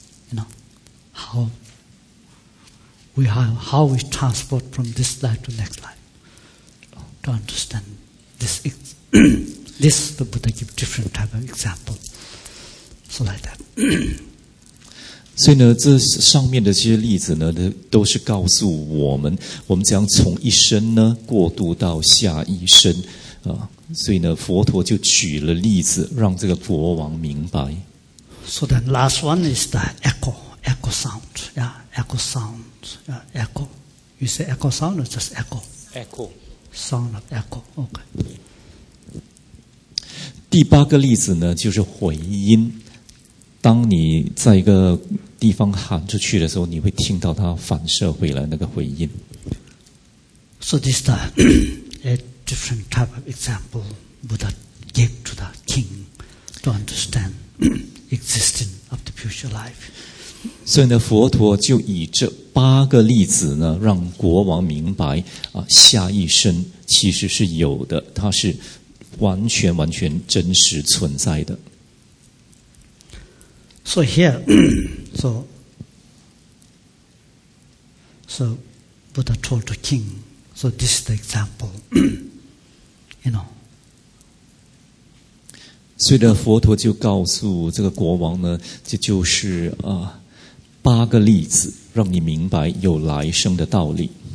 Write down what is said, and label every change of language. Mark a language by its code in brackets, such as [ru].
[en] You know, how we transport from this life to next life. Understand this. This the Buddha give different type of example, so like that. [zh] 所以呢，这上面的这些例子呢，都是告诉我们，我们怎样从一生呢过渡到下一生啊。所以呢，佛陀就举了例子，让这个国王明白。 [en] So the last one is the echo, echo sound, yeah, echo sound, yeah, echo. You say echo sound or just echo? Echo. Sound of echo. Okay. [zh] 第八个例子呢，就是回音。当你在一个地方喊出去的时候，你会听到它反射回来那个回音。 [en] So this is a different type of example Buddha gave to the king to understand existence of the future life. [zh] 所以呢，佛陀就以这八个例子呢，让国王明白啊，下一生其实是有的，它是完全完全真实存在的。 [en] So here, so Buddha told the king, so this is the example, you know. [zh] 所以呢，佛陀就告诉这个国王呢，这就是啊八个例子，让你明白有来生的道理。